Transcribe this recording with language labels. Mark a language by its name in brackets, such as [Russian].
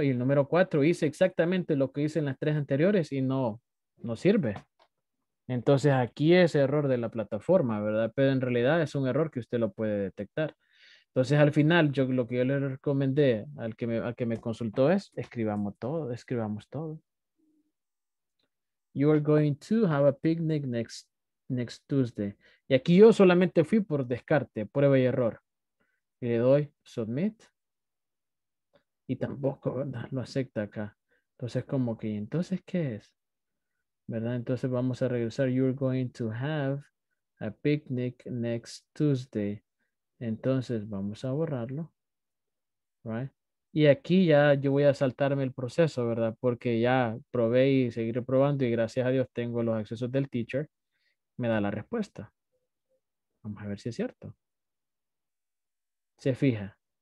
[Spanish] Y el número cuatro, hice exactamente lo que hice en las tres anteriores y no sirve. Entonces, aquí es error de la plataforma, ¿verdad? Pero en realidad es un error que usted lo puede detectar. Entonces, al final, yo lo que yo le recomendé al que me consultó es, escribamos todo. [English] You are going to have a picnic next Tuesday. [Spanish] Y aquí yo solamente fui por descarte, prueba y error. Y le doy submit. Y tampoco lo acepta acá. Entonces, como que, ¿entonces qué es? ¿Verdad? Entonces, vamos a regresar. [English] You are going to have a picnic next Tuesday. [Spanish] Entonces vamos a borrarlo, right? Y aquí ya yo voy a saltarme el proceso, ¿verdad? Porque ya probé y seguiré probando y gracias a Dios tengo los accesos del teacher, me da la respuesta. Vamos a ver si es cierto. Se fija.